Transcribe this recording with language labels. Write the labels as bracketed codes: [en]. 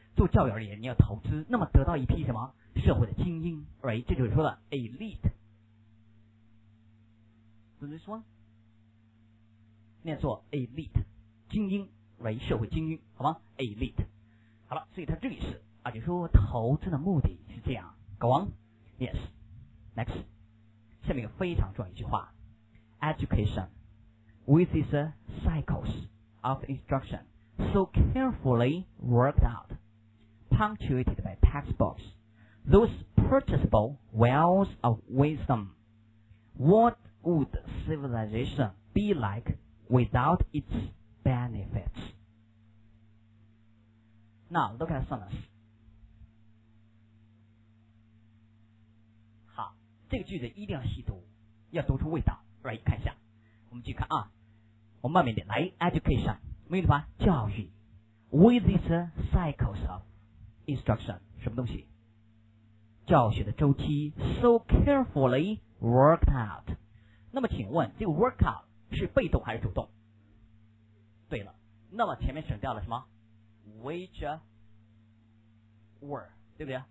[zh] 做教育而言，你要投资，那么得到一批什么社会的精英，而这就是说的 elite 尊双，念作 elite 精英，为社会精英，好吗？ elite 好了，所以他这个意思啊，就说投资的目的是这样。 [en] go on yes next [zh] 下面有非常重要一句话， [en] education with its cycles of instruction so carefully worked out punctuated by textbooks those purchasable wells of wisdom what would civilization be like without its benefits now look at some of this [zh] 这个句子一定要细读，要读出味道。来看一下，我们继续看啊，我们慢慢点来。 [en] Education， [zh] 没有吧？ [en] 教育 ，with its cycles of instruction， [zh] 什么东西？教学的周期 [en] ，so carefully worked out。 [zh] 那么请问，这个 work out 是被动还是主动？对了，那么前面省掉了什么 ？ [en] which were， [zh] 对不对？